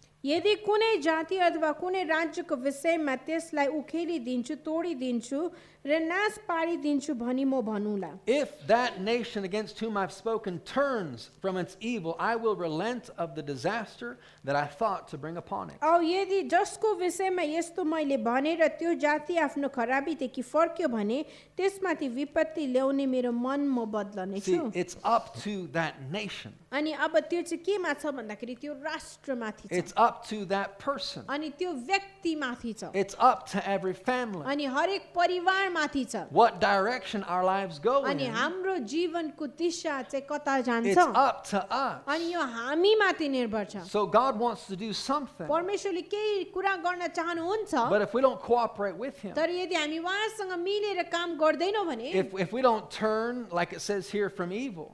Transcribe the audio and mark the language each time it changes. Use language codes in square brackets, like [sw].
[ne] यदि कुनै जाति अथवा कुनै राज्यको विषयमा त्यसलाई उखेलिदिन्छु तोडिदिन्छु र नाश पारिदिन्छु भनी म भनुला [en] If that nation against whom I've spoken turns from its evil, I will relent of the disaster that I thought to bring upon it. [ne] औ यदि जसको विषयमा यस्तो मैले भने र त्यो जाति आफ्नो खराबीदेखि फर्क्यो भने त्यसमाथि विपत्ति ल्याउने मेरो मन म बदल्नेछु [en] It's up to that nation. [ne] अनि अब त्यो चाहिँ केमा छ भन्दाखेरि त्यो राष्ट्रमाथि छ [en] It's up to that person. [ne] अनि त्यो व्यक्तिमाथि छ [en] It's up to every family. [ne] अनि हरेक परिवारमाथि छ [en] What direction our lives go in. [ne] अनि हाम्रो जीवनको दिशा चाहिँ कता जान्छ [en] It's up to us. [ne] अनि यो हामीमाथि निर्भर छ [en] So God wants to do something. [ne] परमेश्वरले केही कुरा गर्न चाहनुहुन्छ [en] But if we don't cooperate with him. [ne] तर यदि हामी उहाँसँग मिलेर काम गर्दैनौ भने [en] If we don't turn like it says here from evil.